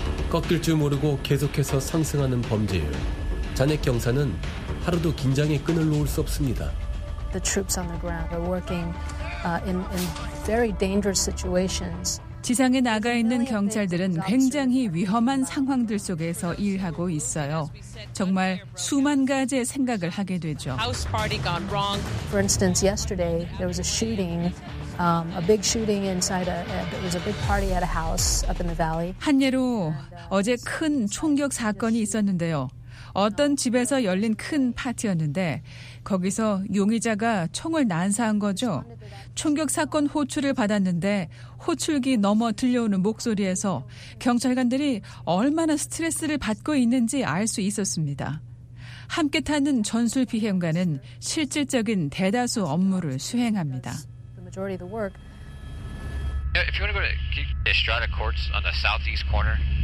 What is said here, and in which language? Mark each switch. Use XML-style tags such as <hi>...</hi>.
<ko>꺾일 줄 모르고 계속해서 상승하는 범죄율. 잔액 경사는 하루도 긴장의 끈을 놓을 수 없습니다.</ko> <en>The troops on the ground are working in very dangerous situations.</en> <ko>지상에 나가 있는 경찰들은 굉장히 위험한 상황들 속에서 일하고 있어요. 정말 수만 가지의 생각을 하게 되죠.</ko> <en>For instance, yesterday there was a shooting, a big shooting inside there was a big party at a house up in the valley.</en> <ko>한 예로 어제 큰 총격 사건이 있었는데요. 어떤 집에서 열린 큰 파티였는데 거기서 용의자가 총을 난사한 거죠. 총격 사건 호출을 받았는데 호출기 넘어 들려오는 목소리에서 경찰관들이 얼마나 스트레스를 받고 있는지 알 수 있었습니다. 함께 타는 전술 비행관은 실질적인 대다수 업무를 수행합니다.</ko> <en>If you want to go to Estrada Courts on the southeast corner.</en>